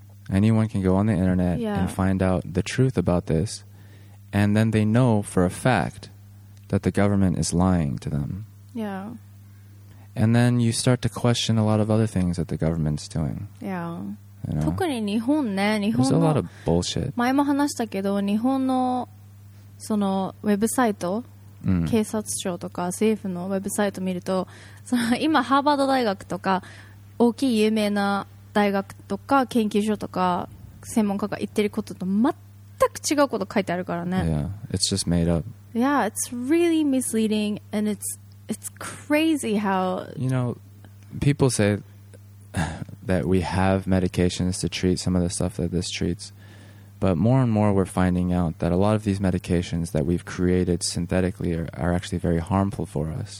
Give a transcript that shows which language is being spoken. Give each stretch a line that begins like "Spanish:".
English: Anyone can go on the internet and find out the truth about this. And then they know for a fact that the government is lying to them. Yeah. And then you start to question a lot of other things that the government's doing. Yeah. You know?
Japanese: 特に日本ね、日本
English: の、There's a lot of bullshit.
Japanese: 前も話したけど、日本のそのウェブサイト、警察庁とか政府のウェブサイト見ると、その今ハーバード大学とか大きい有名な大学とか研究所とか専門家が言ってることと全く違うこと書いてあるからね。
English: Yeah, it's just made up. Yeah, it's really misleading, and it's crazy how you know people say. that we have medications to treat some of the stuff that this treats. But more and more we're finding out that a lot of these medications that we've created synthetically are actually very harmful for us.